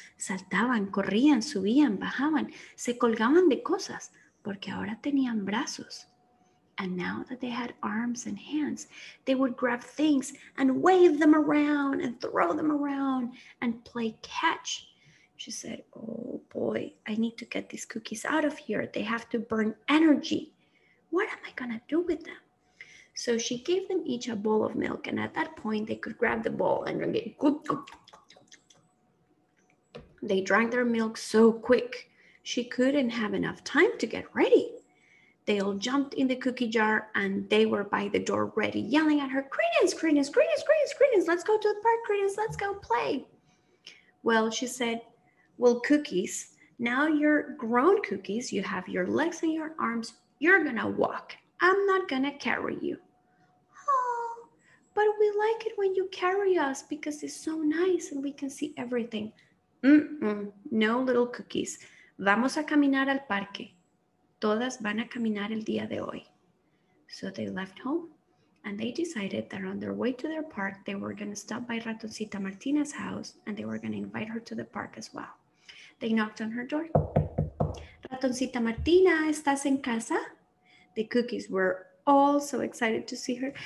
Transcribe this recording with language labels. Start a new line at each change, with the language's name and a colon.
Spanish: Saltaban, corrían, subían, bajaban, se colgaban de cosas, porque ahora tenían brazos.
English: And now that they had arms and hands, they would grab things and wave them around and throw them around and play catch. She said, "Oh boy, I need to get these cookies out of here. They have to burn energy. What am I gonna do with them?" So she gave them each a bowl of milk, and at that point they could grab the bowl and drink it. They drank their milk so quick, she couldn't have enough time to get ready. They all jumped in the cookie jar and they were by the door ready, yelling at her, "Credence, Credence, Credence, Credence, Credence, let's go to the park, Credence, let's go play." Well, she said, "Well, cookies, now you're grown cookies, you have your legs and your arms, you're gonna walk. I'm not gonna carry you." "Oh, but we like it when you carry us because it's so nice and we can see everything." "Mm-mm, no, little cookies.
Spanish: Vamos a caminar al parque. Todas van a caminar el día de hoy."
English: So they left home and they decided that on their way to their park, they were gonna stop by Ratoncita Martina's house and they were gonna invite her to the park as well. They knocked on her door. "Ratoncita Martina,
Spanish: ¿estás en casa?"
English: The cookies were all so excited to see her.